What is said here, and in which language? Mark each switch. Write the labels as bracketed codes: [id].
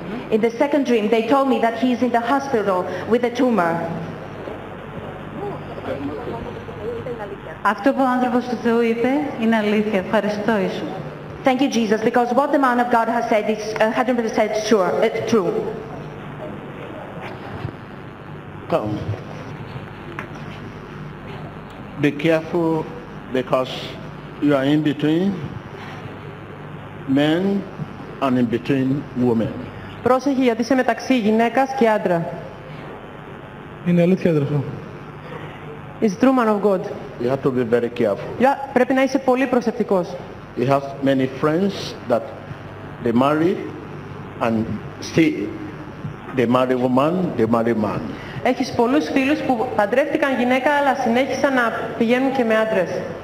[en] In the second dream they told me that he's in the hospital with a tumor. [el] Αυτό που ο άνθρωπος του Θεού είπε είναι αλήθεια. Ευχαριστώ Ιησού. [en] Thank you, Jesus, because what the man of God has said is 100% sure. It's true. Come. Be careful, because you are in between men and in between women. [el] Πρόσεχε, γιατί είσαι μεταξύ γυναίκας και άντρα. Είναι αλήθεια, αδερφό. [en] It's true, man of God. You have to be very careful. [el] Πρέπει να είσαι πολύ προσεκτικός. [en] He has many friends that they marry and see they marry woman, they marry man. [el] Έχεις πολλούς φίλους που παντρεύτηκαν γυναίκα αλλά συνέχισαν να πηγαίνουν και με άντρες.